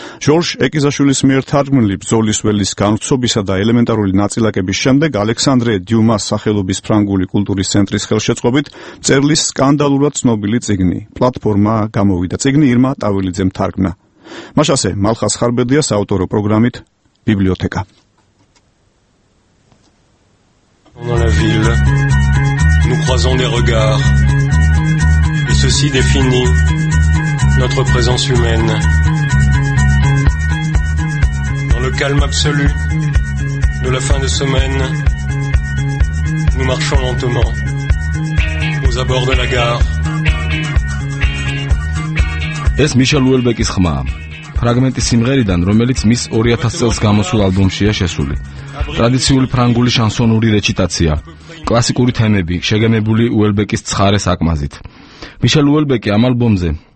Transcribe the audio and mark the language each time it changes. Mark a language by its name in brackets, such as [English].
[Georgian] ჟორჟ ეკიზაშვილის მიერ თარგმნილი ბრძოლის ველის განრთობისა და ელემენტარული ნაწილაკების შემდეგ ალექსანდრე დიუმას სახელობის ფრანგული კულტურის ცენტრის ხელშეწყობით მწერლის სკანდალურად ცნობილი წიგნი პლატფორმა გამოვიდა. წიგნი ირმა ტავილიძემ თარგმნა. მას ასე მალხაზ ხარბედიას საავტორო პროგრამით ბიბლიოთეკა. [French] Dans la ville, nous croisons des regards, et ceci définit notre présence humaine. Dans le calme absolu de la fin de semaine, nous marchons lentement aux abords de la gare. [Georgian] ეს მიშელ უელბეკის ხმაა, ფრაგმენტი სიმღერიდან, რომელიც მის 2000 წელს გამოსულ ალბომშია შესული. ტრადიციული ფრანგული შანსონური რეციტაცია, კლასიკური თემები, შეგემებული უელბეკის ცხარე საკმაზით. მიშელ უელბეკი ამ ალბომზე